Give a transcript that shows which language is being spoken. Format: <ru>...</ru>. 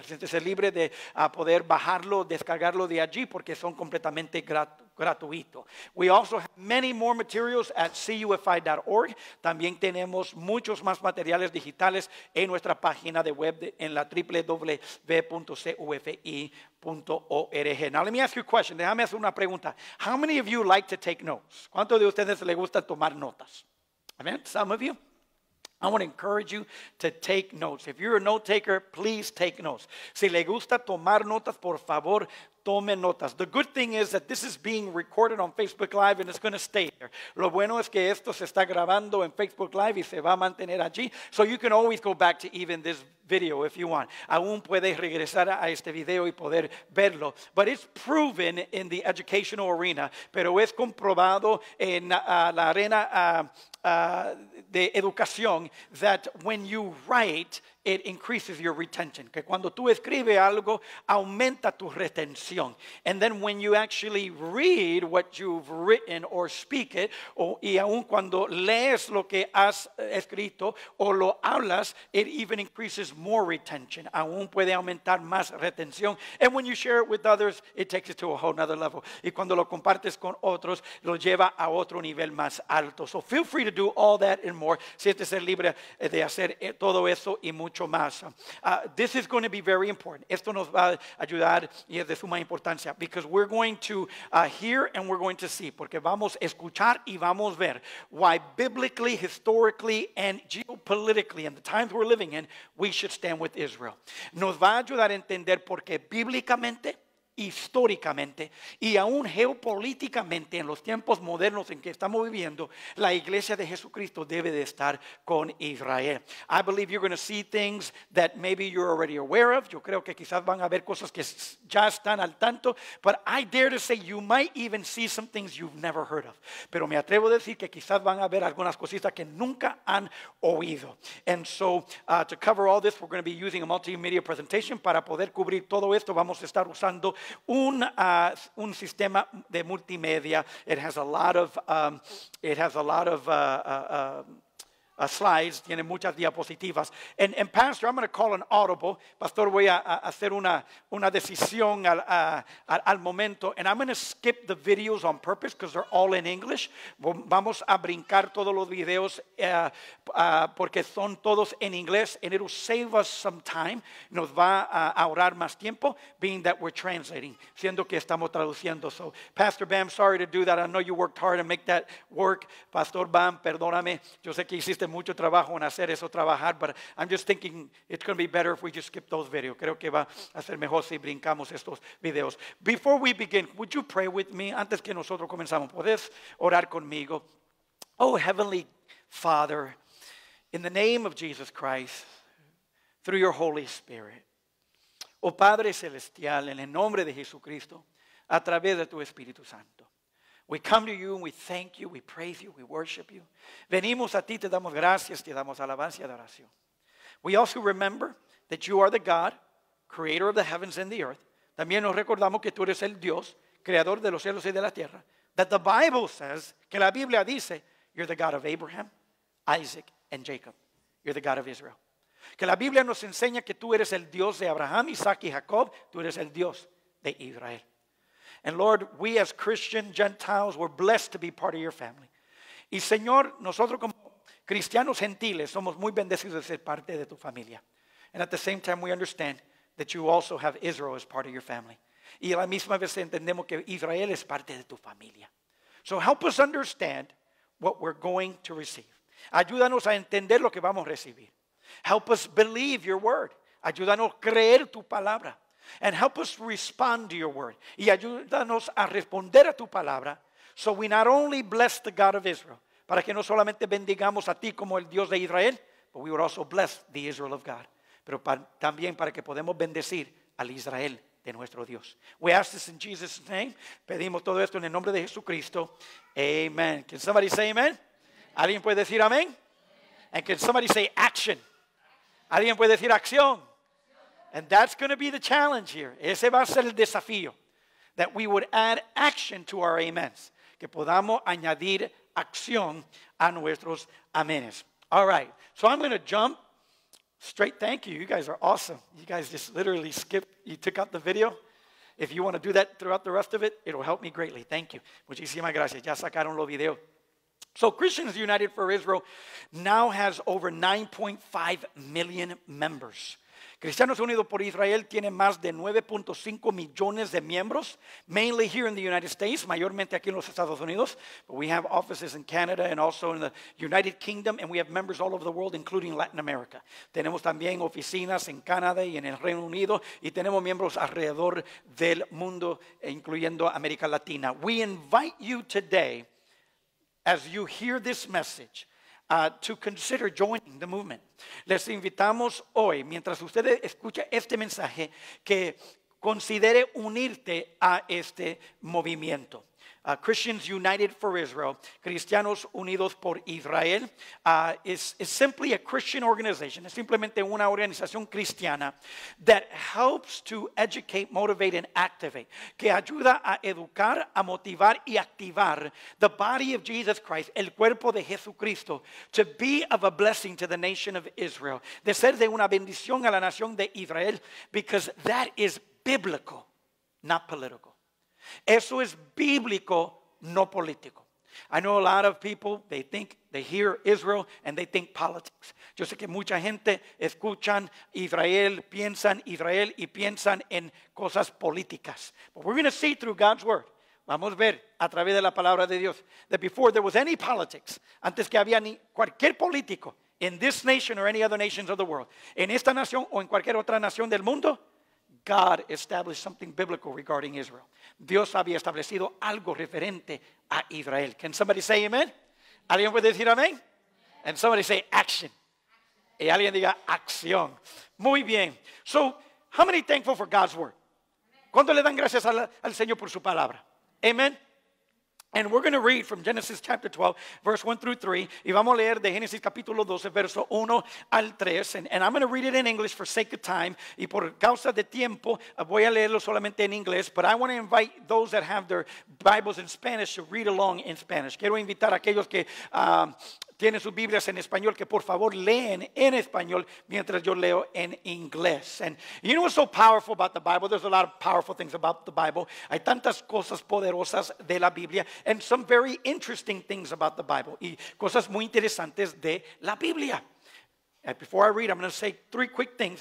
<es>Siéntese libre de poder bajarlo, descargarlo de allí, porque son completamente gratuito.</es> <en>We also have many more materials at cufi.org.</en> <es>También tenemos muchos más materiales digitales en nuestra página de web en la www.cufi.org.</es> <en>Now let me ask you a question.</en> <es>Déjame hacer una pregunta.</es> <en>How many of you like to take notes?</en> <es>¿Cuántos de ustedes les gusta tomar notas?</es> <en>Amen. Some of you. I want to encourage you to take notes. If you're a note taker, please take notes.</en> <es>Si le gusta tomar notas, por favor, tome notas.</es> <en>The good thing is that this is being recorded on Facebook Live and it's going to stay there.</en> <es>Lo bueno es que esto se está grabando en Facebook Live y se va a mantener allí.</es> <en>So you can always go back to even this video if you want.</en> <es>Aún puedes regresar a este video y poder verlo.</es> <en>But it's proven in the educational arena.</en> <es>Pero es comprobado en la arena de educación</es> <en>that when you write, it increases your retention.</en> <es>Que cuando tú escribes algo, aumenta tu retención.</es> <en>And then when you actually read what you've written or speak it,</en> <es>y aún cuando lees lo que has escrito o lo hablas,</es> <en>it even increases more retention.</en> <es>Aún puede aumentar más retención.</es> <en>And when you share it with others, it takes it to a whole other level.</en> <es>Y cuando lo compartes con otros, lo lleva a otro nivel más alto.</es> <en>So feel free to do all that and more.</en> <es>Siéntese libre de hacer todo eso y mucho.</es> <en>This is going to be very important.</en> <es>Esto nos va a ayudar y es de suma importancia.</es> <en>Because we're going to hear and we're going to see.</en> <es>Porque vamos a escuchar y vamos a ver.</es> <en>Why biblically, historically, and geopolitically, in the times we're living in, we should stand with Israel.</en> <es>Nos va a ayudar a entender por qué bíblicamente, históricamente y aún geopolíticamente en los tiempos modernos en que estamos viviendo, la iglesia de Jesucristo debe de estar con Israel.</es> <en>I believe you're going to see things that maybe you're already aware of.</en> <es>Yo creo que quizás van a ver cosas que ya están al tanto,</es> <en>but I dare to say you might even see some things you've never heard of.</en> <es>Pero me atrevo a decir que quizás van a ver algunas cositas que nunca han oído.</es> <en>And so to cover all this, we're going to be using a multimedia presentation.</en> <es>Para poder cubrir todo esto, vamos a estar usando un sistema de multimedia.</es> <en>It has a lot of slides.</en> <es>Tiene muchas diapositivas.</es> <en>And pastor, I'm going to call an audible.</en> <es>Pastor, voy a hacer una decisión al momento.</es> <en>And I'm going to skip the videos on purpose because they're all in English.</en> <es>Vamos a brincar todos los videos porque son todos en inglés.</es> <en>And it'll save us some time.</en> <es>Nos va a ahorrar más tiempo,</es> <en>being that we're translating.</en> <es>Siendo que estamos traduciendo.</es> <en>So, Pastor Bam, sorry to do that. I know you worked hard to make that work.</en> <es>Pastor Bam, perdóname. Yo sé que hiciste mucho trabajo en hacer eso trabajar,</es> <en>but I'm just thinking it's going to be better if we just skip those videos.</en> <es>Creo que va a ser mejor si brincamos estos videos.</es> <en>Before we begin, would you pray with me?</en> <es>Antes que nosotros comenzamos, ¿puedes orar conmigo?</es> <en>Oh, Heavenly Father, in the name of Jesus Christ, through your Holy Spirit,</en> <es>oh Padre Celestial, en el nombre de Jesucristo, a través de tu Espíritu Santo.</es> <en>We come to you and we thank you, we praise you, we worship you.</en> <es>Venimos a ti, te damos gracias, te damos alabanza y adoración.</es> <en>We also remember that you are the God, creator of the heavens and the earth.</en> <es>También nos recordamos que tú eres el Dios, creador de los cielos y de la tierra.</es> <en>That the Bible says,</en> <es>que la Biblia dice,</es> <en>you're the God of Abraham, Isaac, and Jacob. You're the God of Israel.</en> <es>Que la Biblia nos enseña que tú eres el Dios de Abraham, Isaac y Jacob. Tú eres el Dios de Israel.</es> <en>And Lord, we as Christian Gentiles, we're blessed to be part of your family.</en> <es>Y Señor, nosotros como cristianos gentiles somos muy bendecidos de ser parte de tu familia.</es> <en>And at the same time, we understand that you also have Israel as part of your family.</en> <es>Y a la misma vez entendemos que Israel es parte de tu familia.</es> <en>So help us understand what we're going to receive.</en> <es>Ayúdanos a entender lo que vamos a recibir.</es> <en>Help us believe your word.</en> <es>Ayúdanos a creer tu palabra.</es> <en>And help us respond to your word.</en> <es>Y ayúdanos a responder a tu palabra.</es> <en>So we not only bless the God of Israel.</en> <es>Para que no solamente bendigamos a ti como el Dios de Israel.</es> <en>But we would also bless the Israel of God.</en> <es>Pero también para que podamos bendecir al Israel de nuestro Dios.</es> <en>We ask this in Jesus' name.</en> <es>Pedimos todo esto en el nombre de Jesucristo.</es> <en>Amen. Can somebody say amen?</en> <es>¿Alguien puede decir amén?</es> <en>And can somebody say action?</en> <es>¿Alguien puede decir acción?</es> <en>And that's going to be the challenge here.</en> <es>Ese va a ser el desafío.</es> <en>That we would add action to our amens.</en> <es>Que podamos añadir acción a nuestros amenes.</es> <en>All right. So I'm going to jump straight. Thank you. You guys are awesome. You guys just literally skipped. You took out the video. If you want to do that throughout the rest of it, it'll help me greatly. Thank you.</en> <es>Muchísimas gracias. Ya sacaron los videos.</es> <en>So Christians United for Israel now has over 9.5 million members.</en> <es>Cristianos Unidos por Israel tiene más de 9.5 millones de miembros,</es> <en>mainly here in the United States,</en> <es>mayormente aquí en los Estados Unidos.</es> <en>But we have offices in Canada and also in the United Kingdom, and we have members all over the world, including Latin America.</en> <es>Tenemos también oficinas en Canadá y en el Reino Unido, y tenemos miembros alrededor del mundo, incluyendo América Latina.</es> <en>We invite you today, as you hear this message, to consider joining the movement.</en> <es>Les invitamos hoy, mientras usted escucha este mensaje, que considere unirte a este movimiento.</es> <en>Christians United for Israel, Cristianos Unidos por Israel, is simply a Christian organization.</en> <es>Es simplemente una organización cristiana</es> <en>that helps to educate, motivate, and activate.</en> <es>Que ayuda a educar, a motivar y activar</es> <en>the body of Jesus Christ,</en> <es>el cuerpo de Jesucristo,</es> <en>to be of a blessing to the nation of Israel.</en> <es>De ser de una bendición a la nación de Israel,</es> <en>because that is biblical, not political.</en> <es>Eso es bíblico, no político.</es> <en>I know a lot of people, they think, they hear Israel and they think politics.</en> <es>Yo sé que mucha gente escuchan Israel, piensan Israel y piensan en cosas políticas.</es> <en>But we're going to see through God's word.</en> <es>Vamos a ver a través de la palabra de Dios.</es> <en>That before there was any politics,</en> <es>antes que había ni cualquier político</es> <en>in this nation or any other nations of the world,</en> <es>en esta nación o en cualquier otra nación del mundo,</es> <en>God established something biblical regarding Israel.</en> <es>Dios había establecido algo referente a Israel.</es> <en>Can somebody say amen?</en> <es>¿Alguien puede decir amén?</es> <en>And somebody say action.</en> <es>Y alguien diga acción. Muy bien.</es> <en>So, how many thankful for God's word?</en> <es>¿Cuánto le dan gracias al Señor por su palabra?</es> <en>Amen. And we're going to read from Genesis chapter 12, verse 1 through 3.</en> <es>Y vamos a leer de Génesis capítulo 12, verso 1 al 3.</es> <en>And I'm going to read it in English for sake of time.</en> <es>Y por causa de tiempo, voy a leerlo solamente en inglés.</es> <en>But I want to invite those that have their Bibles in Spanish to read along in Spanish.</en> <es>Quiero invitar a aquellos que tienen sus Biblias en español, que por favor leen en español mientras yo leo en inglés.</es> <en>And you know what's so powerful about the Bible? There's a lot of powerful things about the Bible. Hay tantas cosas poderosas de la Biblia. And some very interesting things about the Bible.</en> <es>Y cosas muy interesantes de la Biblia.</es> <en>And before I read, I'm going to say three quick things.</en>